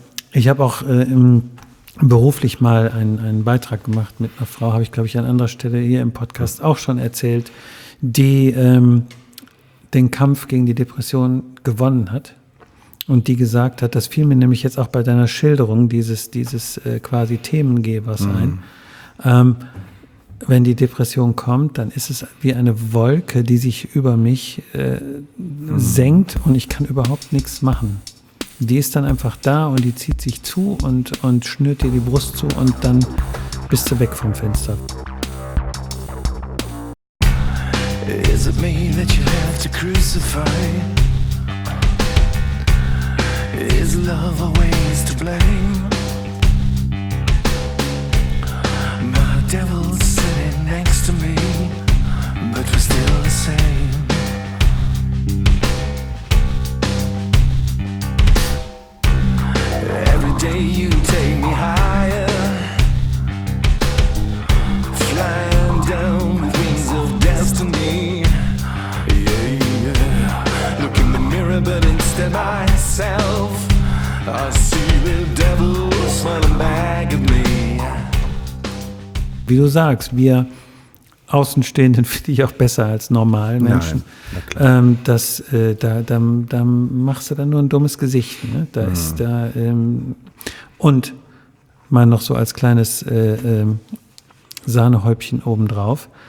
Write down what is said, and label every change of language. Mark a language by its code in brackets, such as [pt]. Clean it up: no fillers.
[de] Ich habe auch beruflich mal einen Beitrag gemacht mit einer Frau, habe ich, glaube ich, an anderer Stelle hier im Podcast auch schon erzählt, die den Kampf gegen die Depression gewonnen hat und die gesagt hat, das fiel mir nämlich jetzt auch bei deiner Schilderung dieses quasi Themengebers ein, wenn die Depression kommt, dann ist es wie eine Wolke, die sich über mich senkt und ich kann überhaupt nichts machen. Die ist dann einfach da und die zieht sich zu und schnürt dir die Brust zu und dann bist du weg vom Fenster. [en] Is it me that you have to crucify? Is love always to blame? My devil's to me, but we're still the same. Every day you take me higher, flying down with wings of destiny. Yeah, yeah. Look in the mirror, but instead myself, I see the devil smiling back at me. [de] wie du sagst, wir Außenstehenden finde ich auch besser als normalen Menschen. Da machst du dann nur ein dummes Gesicht. Ne? Da ist da und mal noch so als kleines Sahnehäubchen obendrauf.